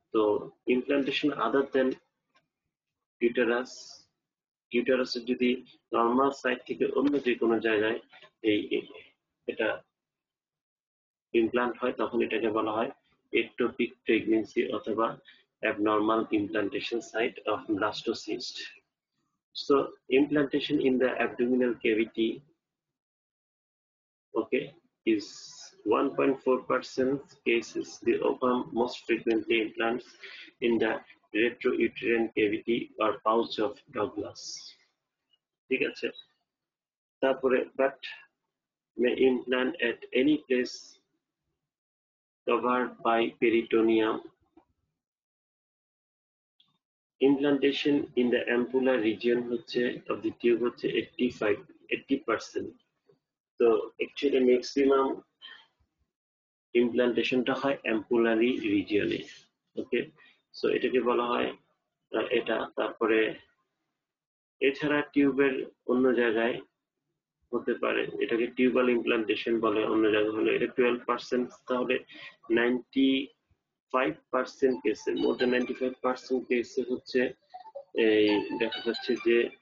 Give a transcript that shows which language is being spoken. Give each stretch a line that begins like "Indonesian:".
Bangla: তো
English: implantation other than uterus,
Bangla: ইউটেরাসের যদি normal site থেকে অন্য যে কোনো জায়গায় এই এটা ইমপ্লান্ট হয় তখন এটাকে বলা হয় এক্টোপিক প্রেগনেন্সি অথবা
English: Abnormal implantation site of blastocyst. So implantation in the abdominal cavity, okay, is 1.4% cases, the ovum most frequently implants in the retrouterine cavity or pouch of Douglas.
Bangla: ঠিক আছে, তারপরে
English: but may implant at any place covered by peritoneum. Implantation in the ampulla region হচ্ছে of the tube হচ্ছে 85-80%.
Bangla: তো actually maximum ইমপ্লান্টেশনটা হয় ampullary রিজিয়নে, ওকে। So এটাকে বলা হয় এটা, তারপরে এছাড়া টিউবের অন্য জায়গায় হতে পারে, এটাকে টিউবাল ইমপ্লান্টেশন বলে অন্য জায়গায় হলে এটা 12%, তাহলে 95% কেসে,
English: more than
Bangla: 95% কেসে হচ্ছে এই দেখা যাচ্ছে যে